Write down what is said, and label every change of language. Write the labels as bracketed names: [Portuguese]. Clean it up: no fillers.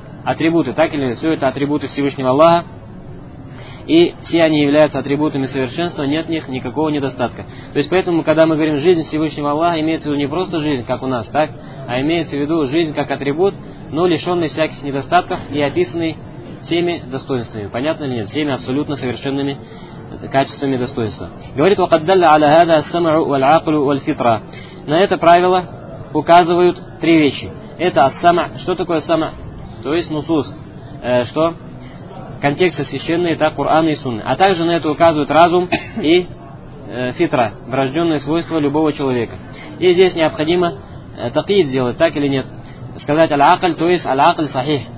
[Russian] Атрибуты, так или нет? Все это атрибуты Всевышнего Аллаха. И все они являются атрибутами совершенства, нет в них никакого недостатка. То есть поэтому, когда мы говорим жизнь Всевышнего Аллаха, имеется в виду не просто жизнь, как у нас, так? А имеется в виду жизнь как атрибут, но лишенный всяких недостатков и описанный всеми достоинствами. Понятно или нет? Всеми абсолютно совершенными качествами достоинства. [Arabic] Говорит, وَقَدَّلَّ عَلَى هَذَا السَّمْعُ وَالْعَقْلُ وَالْفِطْرَ. [Russian] На это правило указывают три вещи. Это ас-сама. Что такое ас-сама? То есть нусус. Что? Контексты священные, так, Кур'ана и Сунны. А также на это указывают разум и фитра, врожденные свойства любого человека. И здесь необходимо такид сделать, так или нет. Сказать аль-акль, то есть аль-акль сахих.